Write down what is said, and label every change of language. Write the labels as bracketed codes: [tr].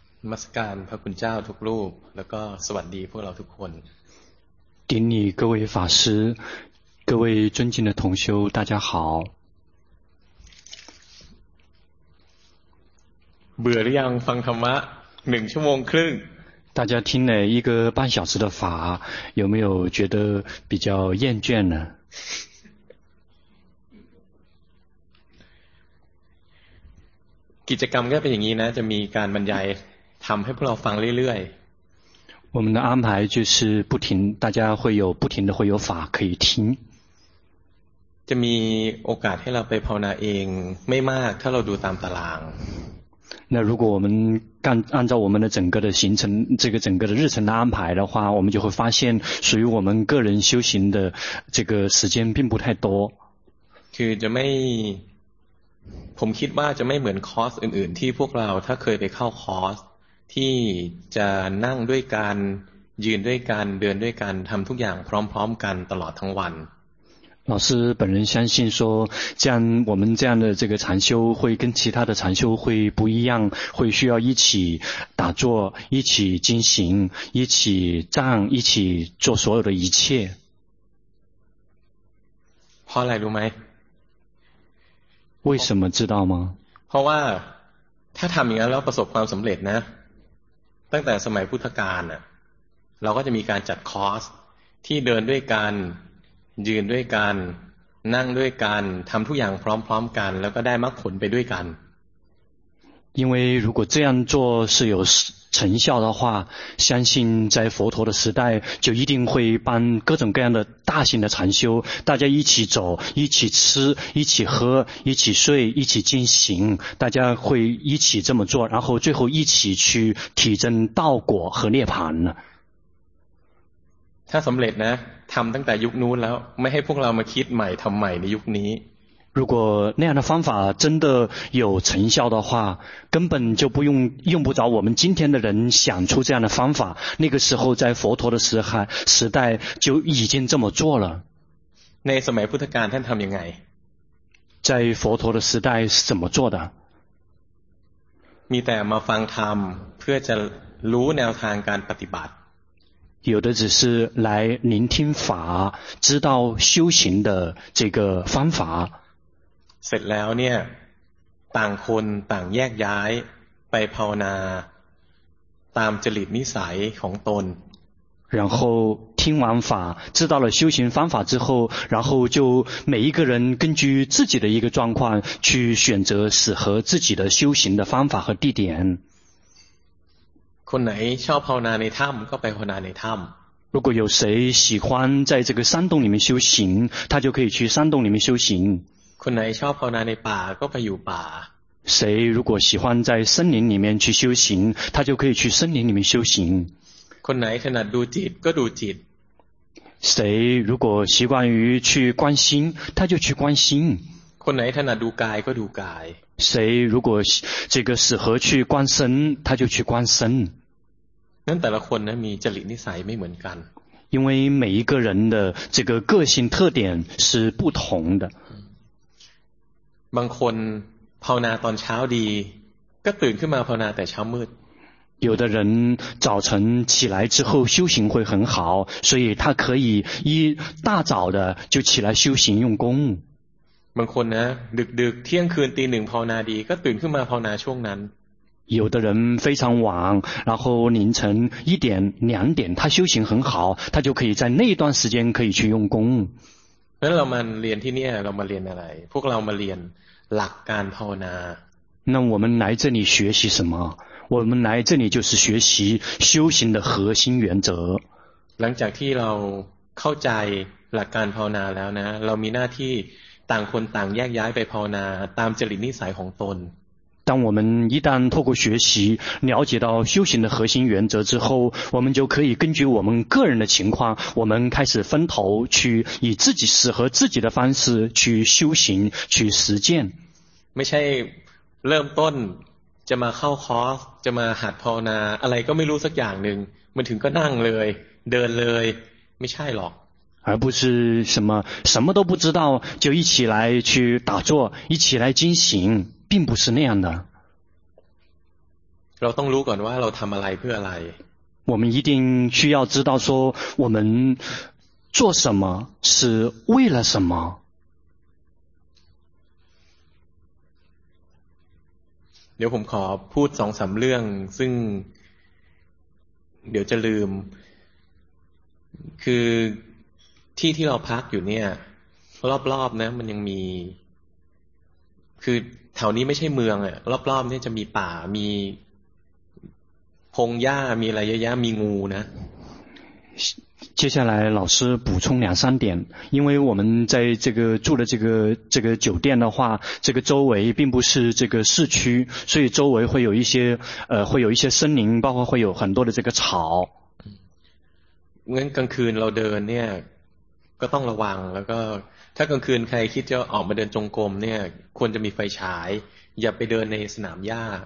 [th] มัสการพระคุณเจ้าทุกรูปแล้วก็สวัสดีพวกเราทุกคน [zh] 顶礼各位法师各位尊敬的同修大家好 [th] เบื่อหรือยังฟังธรรมะ1ชั่วโมงครึ่ง [zh] 大家听了一个半小时的法有没有觉得比较厌倦呢 [th] กิจกรรมก็เป็นอย่างนี้นะจะมีการบรรยายทำให้พวกเราฟังเรื่อย [zh] ๆ我们的安排就是不停大家会有不停的会有法可以听 [th] จะมีโอกาสให้เราไปภาวนาเองไม่มากถ้าเราดูตามตาราง [zh] 那如果我们干按照我们的整个的行程这个整个的日程的安排的话我们就会发现属于我们个人修行的这个时间并不太多 [th] คือจะไม่ผมคิดว่าจะไม่เหมือนคอร์สอื่นๆที่พวกเราถ้าเคยไปเข้าคอร์สที่จะนั่งด้วยกันยืนด้วยกันเดินด้วยกันทำทุกอย่างพร้อมๆกันตลอดทั้งวัน [zh] 老师本人相信说这样我们这样的这个禅修会跟其他的禅修会不一样会需要一起打坐一起进行一起站一起做所有的一切 [th] เพราะอะไรรู้ไหม [zh] 为什么知道吗 [th] เพราะว่าถ้าทำอย่างนั้นแล้วประสบความสำเร็จนะตั้งแต่สมัยพุทธกาลน่ะเราก็จะมีการจัดคอร์สที่เดินด้วยกันยืนด้วยกันนั่งด้วยกันทำทุกอย่างพร้อมๆกันแล้วก็ได้มรรคผลไปด้วยกัน [zh] 因为如果这样做是有成效的话相信在佛陀的时代就一定会办各种各样的大型的禅修大家一起走一起吃一起喝一起睡一起进行大家会一起这么做然后最后一起去体证道果和涅槃 [th] ถ้าสำเร็จนะทำตั้งแต่ยุคนู้นแล้วไม่ให้พวกเรามาคิดใหม่ทำใหม่ในยุคนี้ [zh] 如果那样的方法真的有成效的话根本就不用用不着我们今天的人想出这样的方法那个时候在佛陀的时代就已经这么做了 [th] ในสมัยพุทธกาลท่านทำยังไง [zh] 在佛陀的时代是怎么做的 [th] มีแต่มาฟังธรรมเพื่อจะรู้แนวทางการปฏิบัติ [zh] 有的只是来聆听法知道修行的这个方法 [th] เสร็จแล้วเนี่ยต่างคนต่างแยกย้ายไปภาวนาตามจริตนิสัยของตน [zh] 然后听完法知道了修行方法之后然后就每一个人根据自己的一个状况去选择适合自己的修行的方法和地点 [th] คนไหนชอบภาวนาในถ้ำก็ไปภาวนาในถ้ำ [zh] 如果有谁喜欢在这个山洞里面修行他就可以去山洞里面修行 [th] คนไหนชอบภาวนาในป่าก็ไปอยู่ป่า [zh] 谁如果喜欢在森林里面去修行他就可以去森林里面修行 [th] คนไหนถนัดดูจิตก็ดูจิต [zh] 谁如果习惯于去观心他就去观心 [th] คนไหนถนัดดูกายก็ดูกาย [zh] 谁如果这个适合去观身他就去观身 [th] นั่นแต่ละคนนะมีจริตนิสัยไม่เหมือนกัน [zh] 因为每一个人的这个个性特点是不同的 [th] บางคนภาวนาตอนเช้าดีก็ตื่นขึ้นมาภาวนาแต่เช้ามืด [zh] 有的人早晨起来之后修行会很好所以他可以一大早的就起来修行用功 [th] บางคนนะดึกๆเที่ยงคืนตีหนึ่งภาวนาดีก็ตื่นขึ้นมาภาวนาช่วงนั้น [zh] 有的人非常晚然后凌晨一点两点他修行很好他就可以在那一段时间可以去用功 [th] เพราะเรามาเรียนที่นี่เรามาเรียนอะไรพวกเรามาเรียนหลักการภาวนา [zh] 那我们来这里学习什么我们来这里就是学习修行的核心原则 [th] หลังจากที่เราเข้าใจหลักการภาวนาแล้วนะเรามีหน้าที่ต่างคนต่างแยกย้ายไปภาวนาตามจริตนิสัยของตน [zh] 当我们一旦透过学习了解到修行的核心原则之后我们就可以根据我们个人的情况我们开始分头去以自己适合自己的方式去修行去实践 [th] ไม่ใช่เริ่มต้นจะมาเข้าคอร์สจะมาหัดภาวนาอะไรก็ไม่รู้สักอย่างหนึ่งมันถึงก็นั่งเลยเดินเลยไม่ใช่หรอก [zh] 而不是什么都不知道就一起来去打坐一起来进行并不是那样的 [th] เราต้องรู้ก่อนว่าเราทำอะไรเพื่ออะไร [zh] 我们一定需要知道说我们做什么是为了什么 [th] เดี๋ยวผมขอพูดสองสามเรื่องซึ่งเดี๋ยวจะลืมคือที่ที่เราพักอยู่เนี่ยรอบๆนะมันยังมีคือแถวนี้ไม่ใช่เมืองอ่ะรอบๆนี่จะมีป่ามีพงหญ้ามีอะไรเยอะๆมีงูนะ [zh] 接下来老师补充两三点，因为我们在这个住的这个酒店的话，这个周围并不是这个市区，所以周围会有一些会有一些森林，包括会有很多的这个草。 [th] งั้นกลางคืนเราเดินเนี่ยก็ต้องระวังแล้วก็ถ้ากลางคืนใครคิดจะออกมาเดินจงกรมเนี่ยควรจะมีไฟฉายอย่าไปเดินในสนามหญ้า